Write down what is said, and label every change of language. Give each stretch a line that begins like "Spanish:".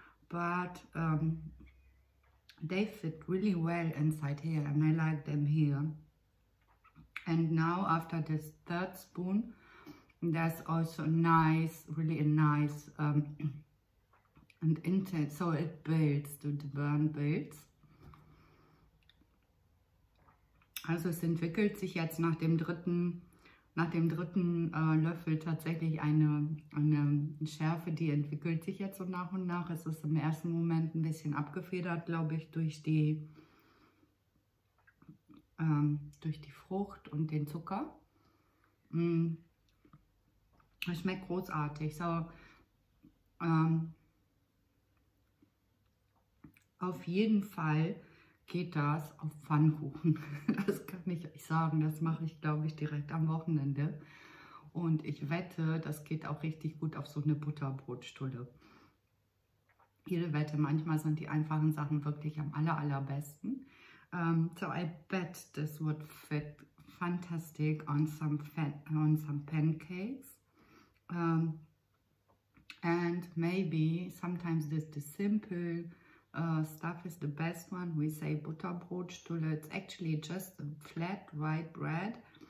English: But they fit really well inside here and I like them here. And now after this third spoon, there's also nice, really a nice and intense, so it builds, the burn builds.
German: Also es entwickelt sich jetzt nach dem dritten Löffel tatsächlich eine Schärfe, die entwickelt sich jetzt so nach und nach. Es ist im ersten Moment ein bisschen abgefedert, glaube ich, durch die Frucht und den Zucker. Es schmeckt großartig. So, auf jeden Fall geht das auf Pfannkuchen. Das kann ich euch sagen. Das mache ich, glaube ich, direkt am Wochenende. Und ich wette, das geht auch richtig gut auf so eine Butterbrotstulle. Jede Wette, manchmal sind die einfachen Sachen wirklich am allerbesten.
English: So I bet this would fit fantastic on some pancakes. And maybe sometimes this the simple stuff is the best one. We say Butterbrotstulle. It's actually just a flat white bread.